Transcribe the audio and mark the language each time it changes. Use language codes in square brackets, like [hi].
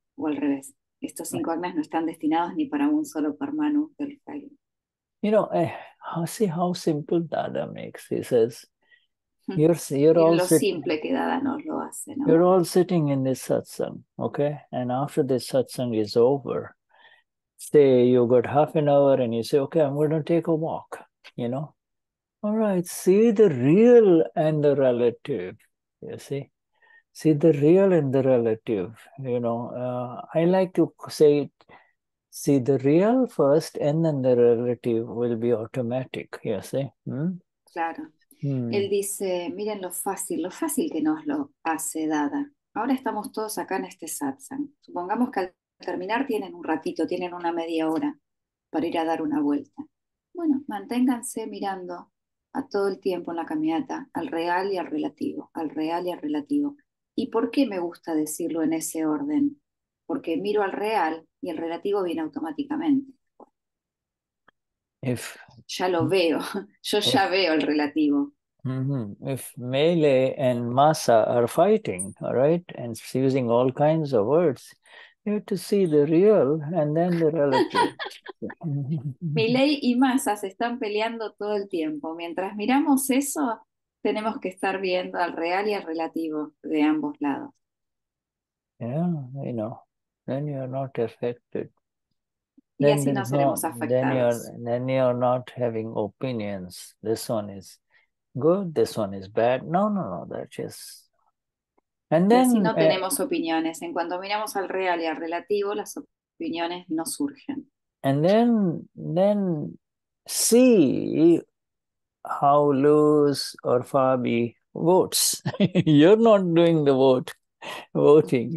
[es] O al revés, estos cinco agnas no están destinados ni para un solo parmanu del fallo. [en] You know, see how simple Dada makes. He says, you're [es] Miren [en] all [es] lo simple que Dada nos lo hace, ¿no? [en] You're all sitting in this satsang, okay? And after this satsang is over, say you got half an hour and you say, okay, I'm going to take a walk, you know? All right, see the real and the relative, you see? See the real and the relative, you know? I like to say, see the real first and then the relative will be automatic, you see? [es] Claro. Él dice, miren lo fácil que nos lo hace Dada. Ahora estamos todos acá en este satsang. Supongamos que al terminar tienen un ratito, tienen una media hora para ir a dar una vuelta. Bueno, manténganse mirando a todo el tiempo en la caminata, al real y al relativo, al real y al relativo. ¿Y por qué me gusta decirlo en ese orden? Porque miro al real y el relativo viene automáticamente. [en] If, [es] ya lo veo, yo [en] if, [es] ya veo el relativo. [en] If Mele and Masa are fighting, all right, and using all kinds of words, you have to see the real and then the relative. [es] Milei y Massa se están peleando todo el tiempo. Mientras miramos eso, tenemos que estar viendo al real y al relativo de ambos lados. [en] Yeah, you know. Then you're not affected. [es] Y así no seremos afectados. [en] Then you're not having opinions. This one is good, this one is bad. No, that's just... And then, [es] y así no tenemos opiniones. En cuanto miramos al real y al relativo, las opiniones no surgen. [en] And then see how Luz or Fabi votes. You're not doing the voting.